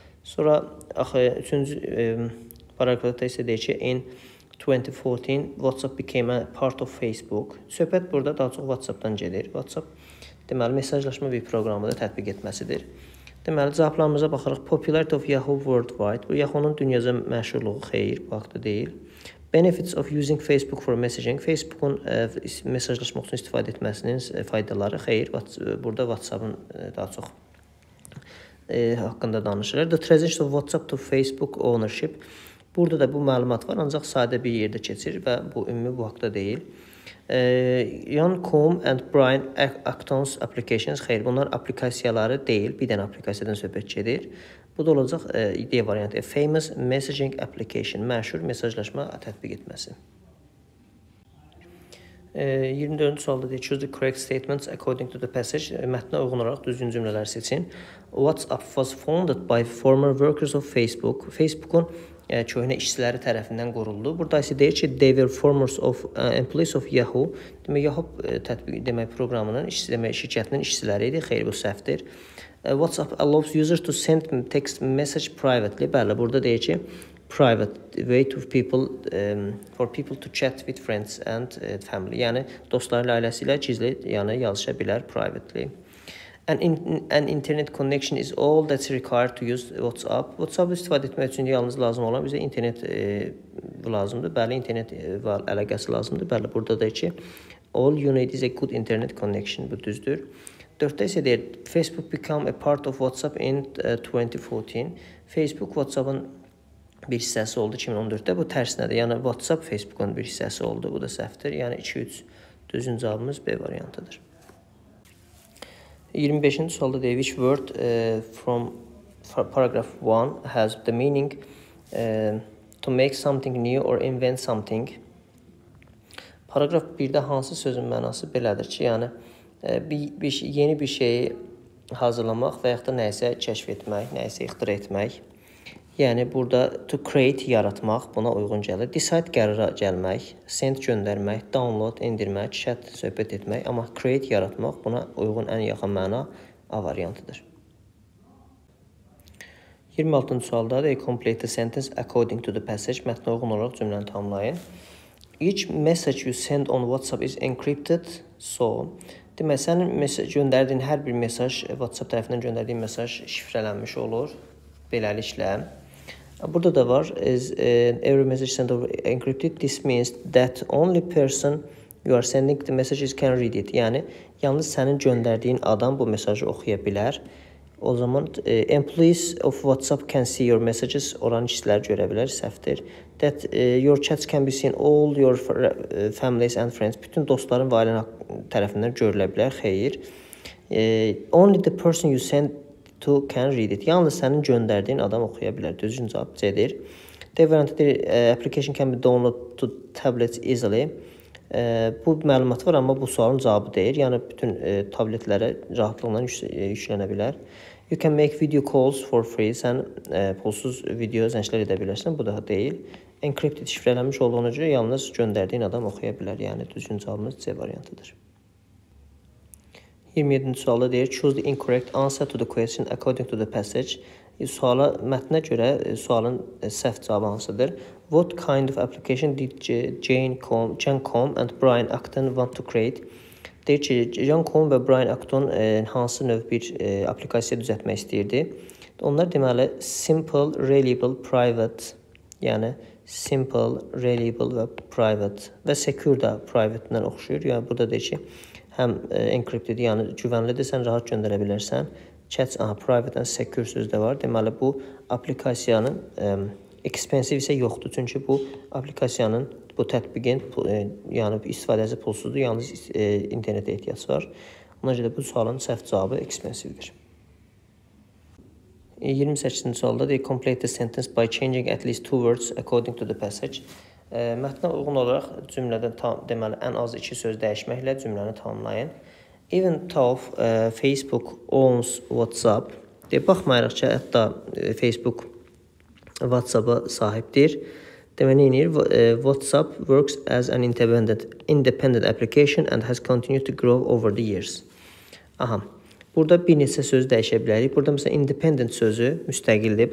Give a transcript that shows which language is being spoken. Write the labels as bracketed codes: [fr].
[az] Sonra üçüncü paragrafda da isə deyir ki, [en] in 2014 WhatsApp became a part of Facebook. [az] Söhbət burada daha çox WhatsApp-dan gedir. WhatsApp, deməli, mesajlaşma bir proqramı da tətbiq etməsidir. Deməli, cavablarımıza baxırıq. [en] Popularity of Yahoo Worldwide. [az] Bu, Yahoo'nun dünyaca məşhurluğu xeyir, bu haqda deyil. [en] Benefits of using Facebook for messaging. [az] Facebook'un mesajlaşmaq üçün istifadə etməsinin faydaları. Xeyr, burada WhatsApp'ın daha çox haqqında danışırlar. [en] The transition of WhatsApp to Facebook ownership. [az] Burada da bu məlumat var, ancaq sadə bir yerdə keçir və bu ümumi bu haqda deyil. [en] Jan Koum and Brian Acton's applications. [az] Xeyr, bunlar applikasiyaları deyil, bir dənə applikasiyadan söhbət gedir. Bu da olacaq D variantı. [en] A famous messaging application. [az] Məşhur mesajlaşma tətbiq etməsi. 24-cü sualda deyir, [en] choose the correct statements according to the passage. [az] Mətnə uyğun olaraq düzgün cümlələr seçin. [en] WhatsApp was founded by former workers of Facebook. [az] Facebook'un köhnə işçiləri tərəfindən quruldu. Burada isə deyir ki, [en] they were former employees of Yahoo. [az] Demək, Yahoo tətbiq, demək, proqramının, demək, şirkətinin işçiləri idi. Xeyr, bu səhvdir. [en] WhatsApp allows users to send text message privately. [az] Bəli, burada deyir ki, [en] private way to people, for people to chat with friends and family. [az] Yəni, dostlarla, ailəsi ilə gizli, yəni, yazışa bilər privately. [en] An internet connection is all that's required to use WhatsApp. [az] WhatsApp istifadə etmək üçün yalnız lazım olan bizə internet lazımdır. Bəli, internet əlaqəsi lazımdır. Bəli, burada deyir ki, [en] all you need is a good internet connection. [az] Bu düzdür. Dörddə isə deyir, [en] Facebook became a part of WhatsApp in 2014. [az] Facebook WhatsApp'ın bir hissəsi oldu 2014-də. Bu tərsinədir. Yəni, WhatsApp Facebook'un bir hissəsi oldu. Bu da səhvdir. Yəni, 2-3 düzgün cavabımız B variantıdır. 25-ci sualda deyir, [en] which word from paragraph 1 has the meaning to make something new or invent something? [az] Paragraf 1-də hansı sözün mənası belədir ki, yəni, yeni bir şeyi hazırlamaq və yaxud da nəyisə kəşf etmək, nəyisə ixtira etmək. Yəni, burada to create, yaratmaq, buna uyğun gəlir. Decide, qərara gəlmək, send, göndərmək, download, indirmək, chat, söhbət etmək. Amma create, yaratmaq, buna uyğun ən yaxın məna A variantıdır. 26-cı sualda da [en] complete the sentence according to the passage. [az] Mətnə uyğun olaraq cümləni tamamlayın. [en] Each message you send on WhatsApp is encrypted, so... [az] Demək, sənin göndərdiyin hər bir mesaj, WhatsApp tərəfindən göndərdiyin mesaj şifrələnmiş olur beləliklə. Burada da var, [en] is every message sent over encrypted. This means that only person you are sending the messages can read it. [az] Yəni, yalnız sənin göndərdiyin adam bu mesajı oxuya bilər. O zaman, [en] employees of WhatsApp can see your messages, [az] oran işçiləri görə bilər, səhvdir. [en] That your chats can be seen, all your families and friends, [az] bütün dostların və ailənin tərəfindən görülə bilər, xeyir. [en] Only the person you send to can read it. [az] Yalnız sənin göndərdiyin adam oxuya bilər. Düzgün cavab C-dir. D variantı [en] application can be downloaded to tablets easily. [az] Bu məlumat var, amma bu sualın cavabı deyil. Yəni bütün tabletlərə rahatlıqla yüklənə bilər. [en] You can make video calls for free. [az] Sən pulsuz video zənglər edə bilərsən. Bu da deyil. Encrypted şifrələnmiş olduğuna görə yalnız göndərdiyin adam oxuya bilər. Yəni düzgün cavabımız C variantıdır. 27-ci sualda deyir, [en] choose the incorrect answer to the question according to the passage. [az] Suala, mətnə görə sualın səhv cavabı hansıdır? [en] What kind of application did Jan Combe and Brian Acton want to create? [az] Deyir ki, Jan Combe və Brian Acton hansı növ bir applikasiya düzəltmək istəyirdi? Onlar deməli, simple, reliable, private, yəni simple, reliable və private və secure da private-dən oxşuyur. Yəni burada deyir ki, həm encrypted, yəni güvənlidir, sən rahat göndərə bilərsən. Chats, aha, [en] private and secure [az] söz də var. Deməli, bu applikasiyanın expensive isə yoxdur. Çünki bu applikasiyanın, bu tətbiqin, yəni istifadəsi pulsuzdur, yalnız internetə ehtiyac var. Ona görə bu sualın səhv cavabı expensive-dir. 28-ci sualda deyir, [en] complete the sentence by changing at least two words according to the passage. [az] Mətnə uyğun olaraq cümlədən deməli, ən az iki söz dəyişməklə cümləni tamamlayın. [en] Even though Facebook owns WhatsApp, [az] deyə baxmayaraq ki, hətta Facebook WhatsApp-a sahibdir. Demə nə edir? [en] WhatsApp works as an independent application and has continued to grow over the years. Aha. [az] Burada bir neçə söz dəyişə bilərik. Burada məsələn independent sözü müstəqildir.